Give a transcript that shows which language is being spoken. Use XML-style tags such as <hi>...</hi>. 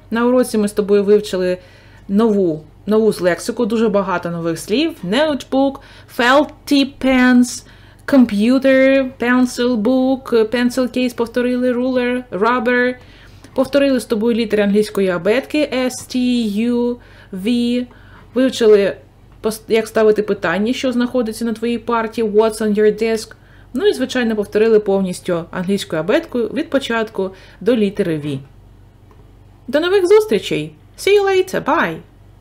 <uk>На уроці ми з тобою вивчили нову лексику, дуже багато нових слів.</uk> <en>Notebook, felt tip pens, computer, pencil book, pencil case,</en> <uk>повторили</uk> <en>ruler, rubber.</en> <uk>Повторили з тобою літери англійської абетки S, T, U, V. Вивчили, як ставити питання, що знаходиться на твоїй парті,</uk> <en>what's on your desk.</en> <uk>Ну і, звичайно, повторили повністю англійською абеткою від початку до літери V. До нових зустрічей!</uk> <en>See you later! Bye!</en>